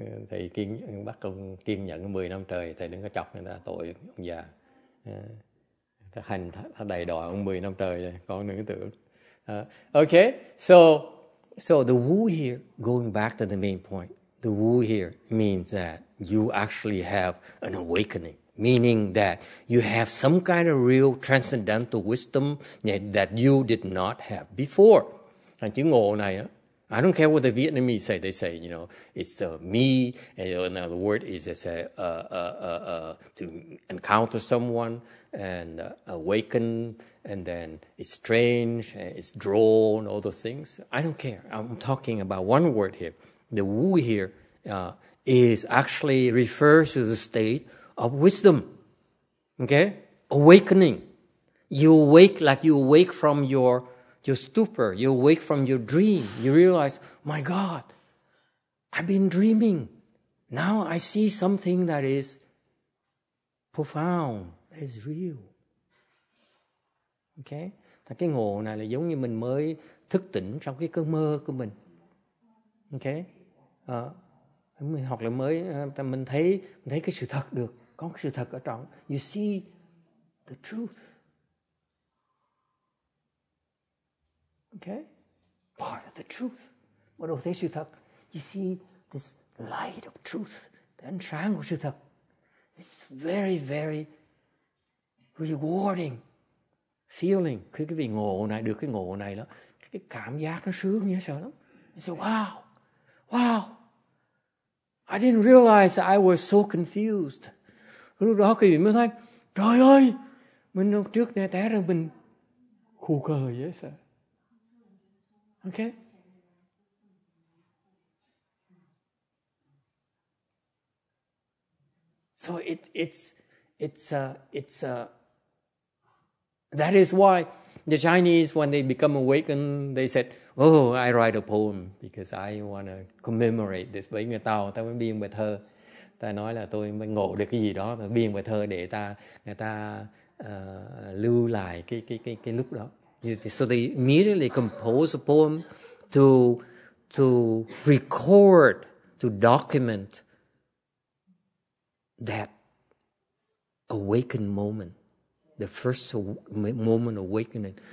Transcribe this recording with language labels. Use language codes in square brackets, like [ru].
[vi] Thầy kiên bắt con kiên nhẫn 10 năm trời, thầy đừng có chọc người ta tội ông già. Hành đầy đọa ông 10 năm trời rồi, con đừng có tưởng. [en] Okay, so the Wu here, going back to the main point, the Wu here means that you actually have an awakening, meaning that you have some kind of real transcendental wisdom that you did not have before. [vi] Và chữ ngộ này á, [en] I don't care what the Vietnamese say. They say, you know, it's me. And, you know, another word is to encounter someone and awaken, and then it's strange, and it's drawn, all those things. I don't care. I'm talking about one word here. The Wu here is actually refers to the state of wisdom. Okay? Awakening. You awake like you awake from your stupor, you awake from your dream, you realize, my God, I've been dreaming. Now I see something that is profound, that is real. Okay? [vi] Thì cái ngộ này là giống như mình mới thức tỉnh trong cái cơn mơ của mình. Okay? Hoặc là mới, mình thấy cái sự thật được, có cái sự thật ở trong. [en] You see the truth. Okay, part of the truth. [vi] Bắt đầu thấy sự thật. [en] You see this light of truth, the [vi] ánh sáng của sự thật. [en] It's very, very rewarding feeling. [vi] Khi cái vị ngộ này, được cái ngộ này đó, cái cảm giác nó sướng nhớ sợ lắm. [en] You say, wow, I didn't realize that I was so confused. [vi] Lúc đó cái vị mới thấy, trời ơi, mình hôm trước nè té ra mình khù khờ dễ sợ. [en] Okay. So that is why the Chinese, when they become awakened, they said, "Oh, I write a poem because I want to commemorate this." [vi] Bởi người Tàu, ta mới biên bài thơ. Ta nói là tôi mới ngộ được cái gì đó, ta biên bài thơ để ta người ta lưu lại cái lúc đó. [en] So they immediately compose a poem to record, to document that awakened moment, the first moment awakening.